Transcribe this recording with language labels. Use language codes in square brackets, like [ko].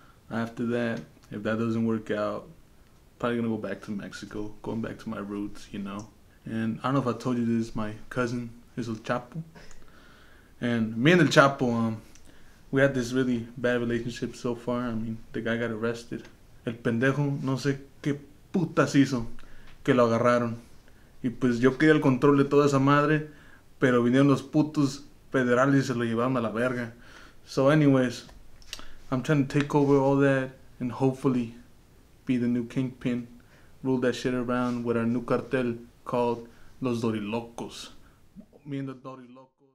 [en] After that, if that doesn't work out, probably going to go back to Mexico, going back to my roots, you know. And I don't know if I told you this, my cousin is El Chapo. And me and El Chapo, we had this really bad relationship so far. I mean, the guy got arrested. [es] El pendejo no sé qué putas hizo que lo agarraron. Y pues yo quería el control de toda esa madre, pero vinieron los putos federales y se lo llevaron a la verga. [en] So anyways, I'm trying to take over all that and hopefully be the new kingpin, rule that shit around with our new cartel called Los Dorilocos. Me and the Dorilocos.